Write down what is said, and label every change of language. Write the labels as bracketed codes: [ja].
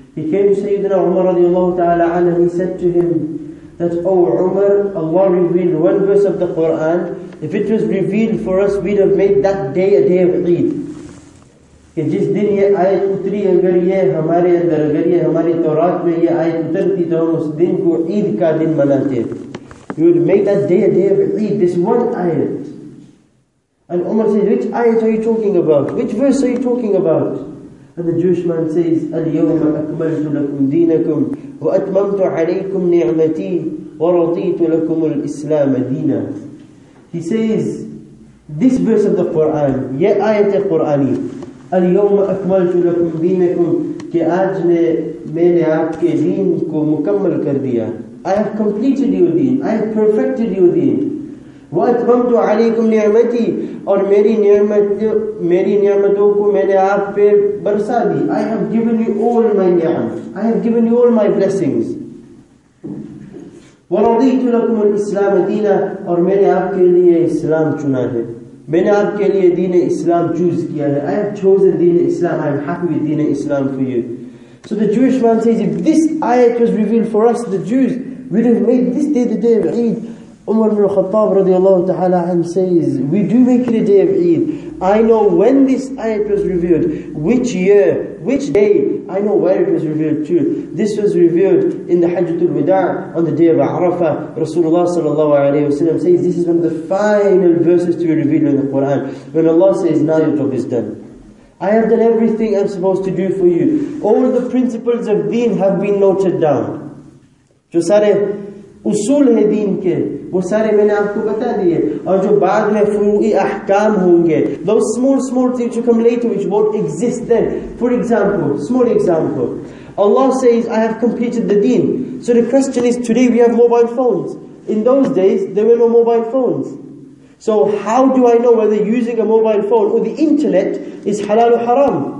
[en] He came to Sayyidina Umar radiallahu ta'ala anhu and he said to him that, O Umar, Allah revealed one verse of the Quran. If it was revealed for us, we'd have made that day a day of Eid. [ur] کہ جس دن یہ آیت اتری اگر یہ ہمارے اندر اگر یہ ہماری تورات میں یہ آیت اترتی تو ہم اس دن کو عید کا دن مناتے. [en] You would make that day a day of Eid, this one ayat. And Umar says, which ayat are you talking about? Which verse are you talking about? And the Jewish man says, [ar] الْيَوْمَ أَكْمَلْتُ لَكُمْ دِينَكُمْ وَأَتْمَمْتُ عَلَيْكُمْ نِعْمَتِي وَرَضِيتُ لَكُمُ الْإِسْلَامَ دِينًا. [en] He says, this verse of the Quran, [ur] یہ آیت قرآنی, [ar] الْيَوْمَ أَكْمَلْتُ لَكُمْ دِينَكُمْ, [ur] کہ آج میں نے آپ کے دین کو مکمل کر دیا. [en] I have completed your deen. I have perfected your deen. [ar] وَأَتْمَمْتُ عَلَيْكُمْ نِعْمَتِي, [ur] اور میری نعمتوں کو میں نے آپ پہ برسا دی. [en] I have given you all my ni'am. I have given you all my blessings. [ar] وَرَضِيْتُ لَكُمْ الْإِسْلَامَ دِينًا, [ur] اور میں نے آپ کے لئے اسلام چنا ہے. میں نے آپ کے لئے دین اسلام چوز کیا ہے. [en] I have chosen deen Islam. I am happy with deen Islam for you. So the Jewish man says, if this ayat was revealed for us, the Jews, we would have made this day the day of Eid. Umar ibn al-Khattab radiallahu ta'ala says, we do make it a day of Eid. I know when this ayat was revealed, which year, which day, I know where it was revealed to. This was revealed in the Hajjatul Wida' on the day of Arafah. Rasulullah sallallahu alayhi wasallam says, this is one of the final verses to be revealed in the Quran. When Allah says, now your job is done. I have done everything I'm supposed to do for you. All the principles of deen have been noted down. [ur] جو سارے اصول ہیں دین کے وہ سارے میں نے آپ کو بتا دیئے, اور جو بعد میں فروعی احکام ہوں گے, [en] those small things will come later which won't exist then. For example, small example, Allah says, I have completed the deen. So the question is, today we have mobile phones. In those days, there were no mobile phones. So how do I know whether using a mobile phone or the internet is halal or haram?